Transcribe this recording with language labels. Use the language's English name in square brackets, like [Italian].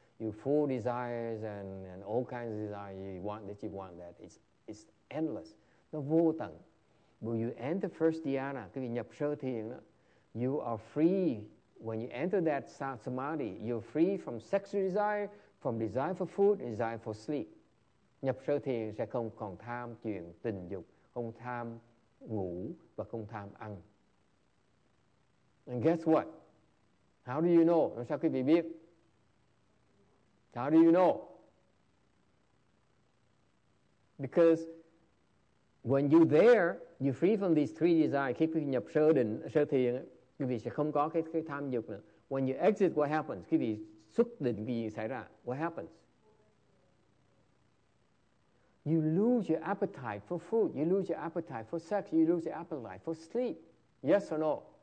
[English] You're full of desires and all kinds of desires. You want this, you want that. It's endless. [Vietnamese] Nó vô tận. [English] But you enter first dhyana, [Vietnamese] cái gì nhập sơ thiền đó. [English] You are free. When you enter that samadhi, you're free from sexual desire, from desire for food, desire for sleep. [Vietnamese] Nhập sơ thiền sẽ không còn tham chuyện tình dục, không tham ngủ và không tham ăn. [English] And guess what? How do you know? [Vietnamese] Làm sao quý vị biết? [English] How do you know? Because when you're there, you're free from these three desires. [Vietnamese] Khi quý vị nhập sơ định, sơ thiền, quý vị sẽ không có cái tham dục nữa. [English] When you exit, what happens? [Vietnamese] Quý vị xuất định, quý vị xảy ra. [English] What happens? You lose your appetite for food. You lose your appetite for sex. You lose your appetite for sleep. Yes or no?